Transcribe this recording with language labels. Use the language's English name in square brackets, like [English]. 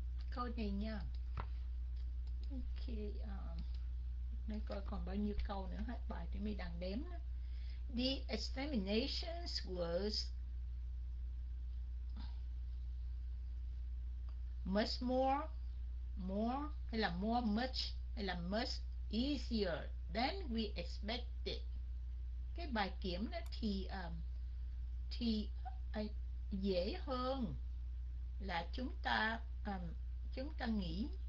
[Vietnamese] Câu này nha. Ok, nãy coi còn bao nhiêu câu nữa hết bài thì mình đang đếm. [English] The examinations was much more [Vietnamese] hay là [English] more much [Vietnamese] hay là [English] much easier than we expected. [Vietnamese] Cái bài kiểm đó thì dễ hơn là chúng ta nghĩ.